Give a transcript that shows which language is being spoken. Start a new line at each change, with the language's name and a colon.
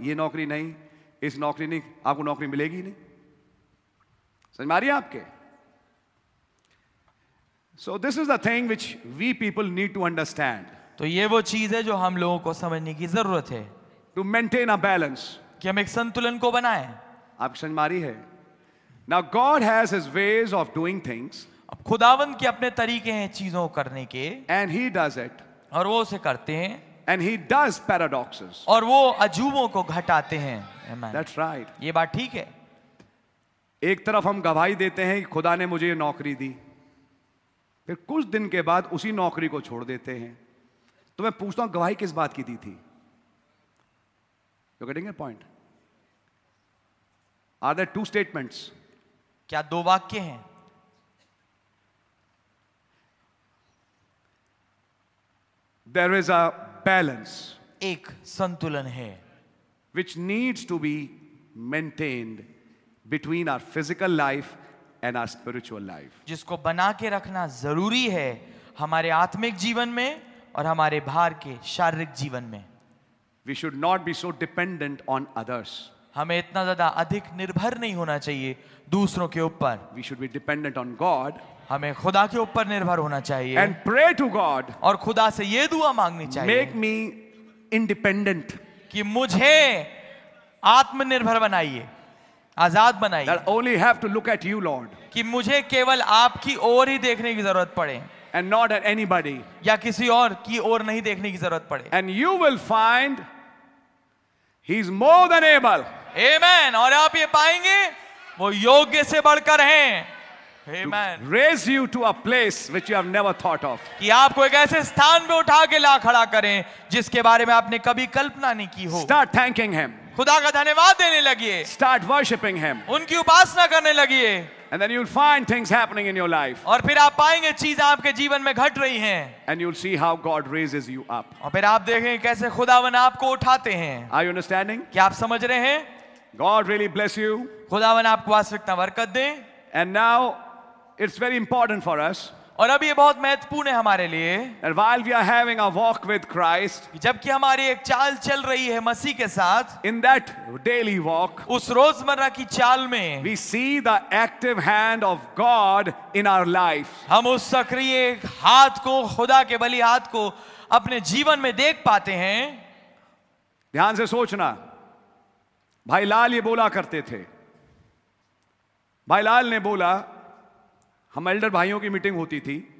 Hindi: ये नौकरी नहीं, इस नौकरी नहीं, आपको नौकरी मिलेगी नहीं. समझ में आ रही है आपके?
English: So this is the thing which we people need to understand.
Hindi: तो ये वो चीज है जो हम लोगों को समझने की जरूरत है.
English: to maintain a balance,
Hindi: कि हम एक संतुलन को बनाए. आपकी समझ में आ रही है?
English: Now God has His ways of doing things.
Hindi: अब खुदावंद के अपने तरीके हैं चीजों करने के.
English: And He does it.
Hindi: और वो उसे करते हैं.
English: And He does paradoxes.
Hindi: और वो अजूबों को घटाते हैं.
English: Amen. That's right.
Hindi: ये बात ठीक है. एक तरफ हम गवाही देते हैं कि खुदा ने मुझे ये नौकरी दी, फिर कुछ दिन के बाद उसी नौकरी को छोड़ देते हैं. तो मैं पूछता हूं, गवाही किस बात की दी थी?
English: You're getting a point? Are there two statements?
Hindi: क्या दो वाक्य हैं?
English: There is a balance.
Hindi: एक संतुलन है.
English: Which needs to be maintained between our physical life and our spiritual life.
Hindi: जिसको बना के रखना जरूरी है हमारे आत्मिक जीवन में और हमारे बाहर के शारीरिक जीवन में.
English: We should not be so dependent on others.
Hindi: हमें इतना ज्यादा अधिक निर्भर नहीं होना चाहिए दूसरों के ऊपर.
English: We should be dependent on God.
Hindi: हमें खुदा के ऊपर निर्भर होना चाहिए.
English: And pray to God.
Hindi: और खुदा से ये दुआ मांगनी चाहिए.
English: Make me independent.
Hindi: कि मुझे आत्मनिर्भर बनाइए, आजाद बनाइए.
English: That only have to look at you, Lord.
Hindi: कि मुझे केवल आपकी ओर ही देखने की जरूरत पड़े.
English: And not at anybody.
Hindi: या किसी और की ओर नहीं देखने की जरूरत पड़े.
English: And you will find He's more than able. Amen.
Hindi: और आप ये पाएंगे वो योग्य से बढ़कर हैं.
English: Amen. To raise you to a place which you have never thought of.
Hindi: कि आपको एक ऐसे स्थान पे उठा के ला खड़ा करें जिसके बारे में आपने कभी कल्पना नहीं की हो.
English: Start thanking him.
Hindi: खुदा का धन्यवाद देने लगिए.
English: Start worshiping him.
Hindi: उनकी उपासना करने लगिए.
English: And then you'll find things happening in your life.
Hindi: और फिर आप पाएंगे चीजें आपके जीवन में घट रही हैं.
English: And you'll see how God raises you up.
Hindi: और फिर आप देखेंगे कैसे खुदावन आपको उठाते हैं.
English: Are you understanding?
Hindi: क्या आप समझ रहे हैं?
English: God really bless you.
Hindi: खुदावन आपको वास्तविकता बरकत दे.
English: And now it's very important for us.
Hindi: और अब ये बहुत महत्वपूर्ण है हमारे लिए.
English: And while we are having a walk with Christ.
Hindi: जबकि हमारी एक चाल चल रही है मसीह के साथ.
English: In that daily walk.
Hindi: उस रोजमर्रा की चाल में.
English: We see the active hand of God in our life.
Hindi: हम उस सक्रिय हाथ को, खुदा के बलि हाथ को अपने जीवन में देख पाते हैं. ध्यान से सोचना. भाई लाल ये बोला करते थे. भाई लाल ने बोला, हम एल्डर भाइयों की मीटिंग होती थी.